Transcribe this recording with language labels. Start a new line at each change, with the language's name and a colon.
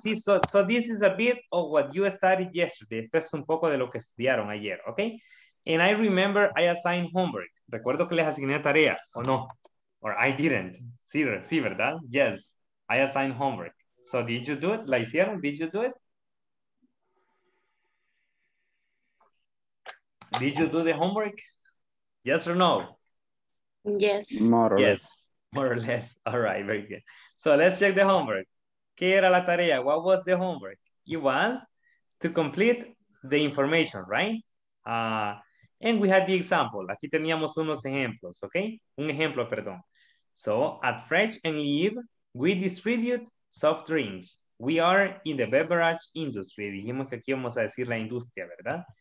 English: See, so this is a bit of what you studied yesterday.
Spanish: Esto es un poco de lo que estudiaron ayer, okay?
English: And I remember I assigned homework.
Spanish: Recuerdo que les asigné tarea, o no?
English: Or I didn't.
Spanish: Sí, ¿verdad?
English: Yes, I assigned homework. So did you do it?
Spanish: ¿La hicieron?
English: Did you do it? Did you do the homework? Yes or no? Yes. More or less. All right, very good. So let's check the homework.
Spanish: ¿Qué era la tarea?
English: What was the homework? It was to complete the information, right? And we had the example.
Spanish: Aquí teníamos unos ejemplos, okay? Un ejemplo, perdón.
English: So at Fresh and Leave, we distribute soft drinks. We are in the beverage industry.
Spanish: Dijimos que aquí vamos a decir la industria, ¿verdad?